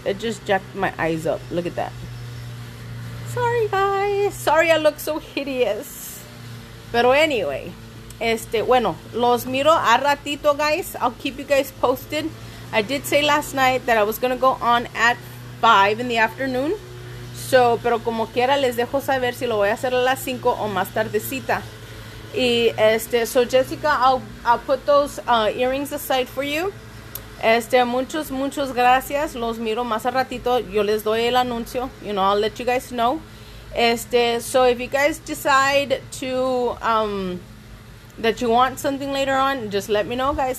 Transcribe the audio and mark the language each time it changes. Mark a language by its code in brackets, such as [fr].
[en] It just jacked my eyes up. Look at that. Sorry, guys. Sorry I look so hideous. Pero anyway, [es] bueno, los miro a ratito, [en] guys. I'll keep you guys posted. I did say last night that I was going to go on at 5 in the afternoon. [es] So, pero como quiera, les dejo saber si lo voy a hacer a las 5 o más tardecita. [en] Y, so Jessica, I'll put those earrings aside for you. [es] Muchos, muchos gracias. Los miro más a ratito. Yo les doy el anuncio. [en] You know, I'll let you guys know. So if you guys decide to, that you want something later on, just let me know, guys.